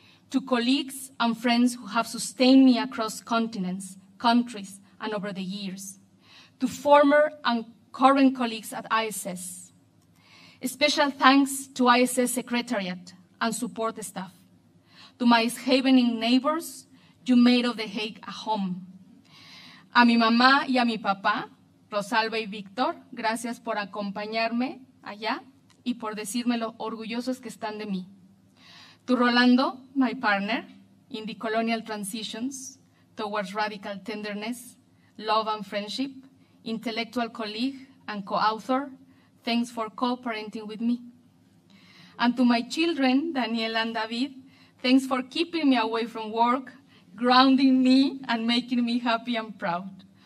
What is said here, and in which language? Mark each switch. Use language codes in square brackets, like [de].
[en] To colleagues and friends who have sustained me across continents, countries, and over the years. To former and current colleagues at ISS, a special thanks to ISS Secretariat and support staff. To my havening neighbors, you made of The Hague a home. [es] A mi mamá y a mi papá, Rosalba y Víctor, gracias por acompañarme allá y por decirme lo orgullosos que están de mí. [en] To Rolando, my partner, in the colonial transitions towards radical tenderness, love and friendship, intellectual colleague and co-author, thanks for co-parenting with me. And to my children, Daniel and David, thanks for keeping me away from work, grounding me, and making me happy and proud.